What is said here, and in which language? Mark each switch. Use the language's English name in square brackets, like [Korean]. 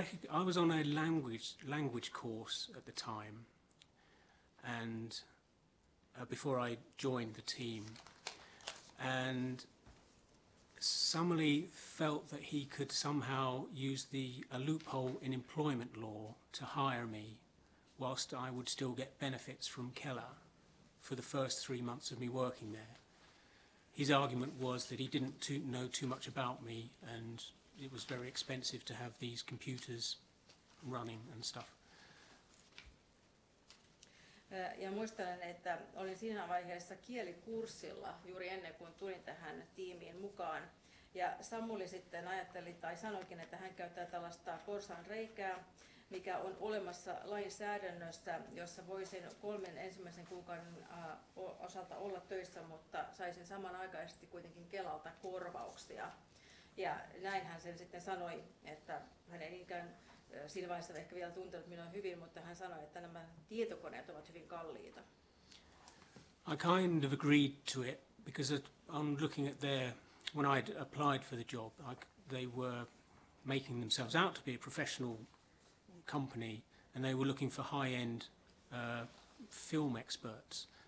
[English] I was on a language course at the time, and before I joined the team, and Somerley felt that he could somehow use a loophole in employment law to hire me whilst I would still get benefits from Keller for the first 3 months of me working there. His argument was that he didn't know too much about me, and it was very expensive to have these computers running and stuff. [Finnish] Ja muistelen, että olin siinä vaiheessa kielikurssilla juuri ennen kuin tulin tähän tiimiin mukaan. Ja Samuli sitten ajatteli tai sanoikin, että hän käyttää tällaista porsaan reikää, mikä on olemassa lainsäädännössä, jossa voisin 3 ensimmäisen kuukauden osalta olla töissä, mutta saisin samanaikaisesti kuitenkin Kelalta korvauksia. Ja näin hän sen sitten sanoi, että hän ei ikään siinä vaiheessa ehkä vielä tuntenut minua hyvin, mutta hän sanoi, että nämä tietokoneet ovat hyvin kalliita. [English] I kind of agreed to it because I'm looking at their, when I'd applied for the job, they were making themselves out to be a professional company and they were looking for high-end film experts.